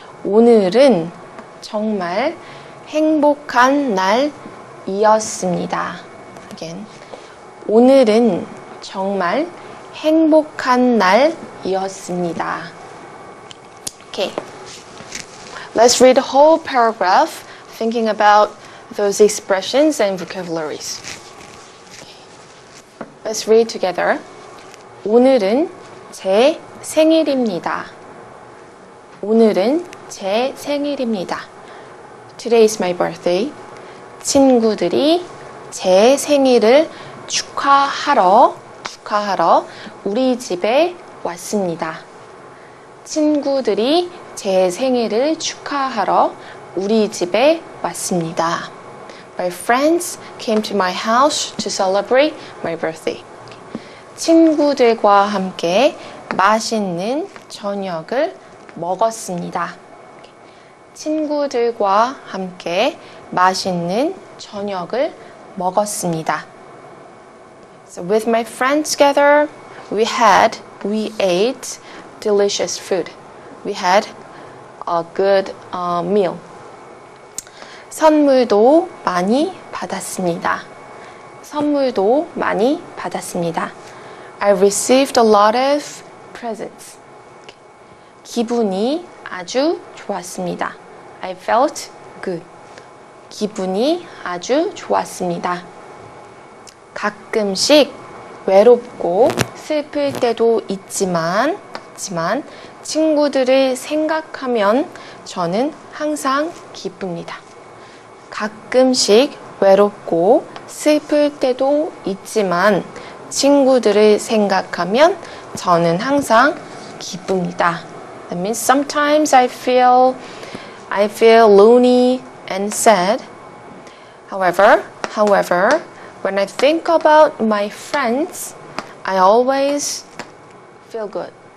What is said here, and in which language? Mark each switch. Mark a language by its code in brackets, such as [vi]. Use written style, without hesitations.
[ko] 오늘은 정말 행복한 날이었습니다. [en] Again. [ko] 오늘은 정말 행복한 날이었습니다. [en] Okay. Let's read the whole paragraph thinking about those expressions and vocabularies. Okay. Let's read together. [ko] 오늘은 제 생일입니다. 오늘은 제 생일입니다. [en] Today is my birthday. [ko] 친구들이 제 생일을 축하하러 우리 집에 왔습니다. 친구들이 제 생일을 축하하러 우리 집에 왔습니다. [en] My friends came to my house to celebrate my birthday. [ko] 친구들과 함께 맛있는 저녁을 먹었습니다. 친구들과 함께 맛있는 저녁을 먹었습니다. [en] So with my friends together, we ate delicious food. We had a good meal. [ko] 선물도 많이 받았습니다. 선물도 많이 받았습니다. [en] I received a lot of presents. [ko] 기분이 아주 좋았습니다. [en] I felt good. [ko] 기분이 아주 좋았습니다. 가끔씩 외롭고 슬플 때도 있지만 친구들을 생각하면 저는 항상 기쁩니다. 가끔씩 외롭고 슬플 때도 있지만 친구들을 생각하면 저는 항상 기쁩니다. [en] That means sometimes I feel lonely and sad. However, when I think about my friends, I always feel good.